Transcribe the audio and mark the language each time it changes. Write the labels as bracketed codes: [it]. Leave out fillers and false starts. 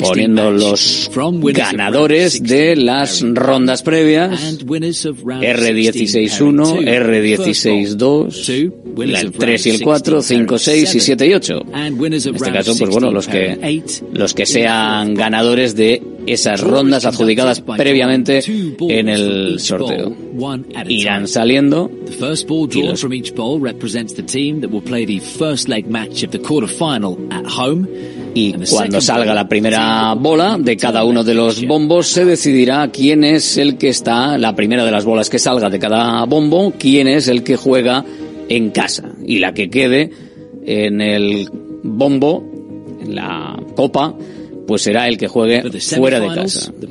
[es] poniendo los ganadores de las rondas previas, R16-1, R16-2, el 3 y el 4, 5, 6 y 7 y 8. En este caso, pues bueno, los que sean ganadores de esas rondas adjudicadas previamente en el sorteo irán saliendo. [en] Each bowl represents the team that will play the first leg match of the quarterfinal at home. [es] Y cuando salga la primera bola de cada uno de los bombos, se decidirá quién es el que está, la primera de las bolas que salga de cada bombo, quién es el que juega en casa. Y la que quede en el bombo, en la copa, pues será el que juegue fuera de casa.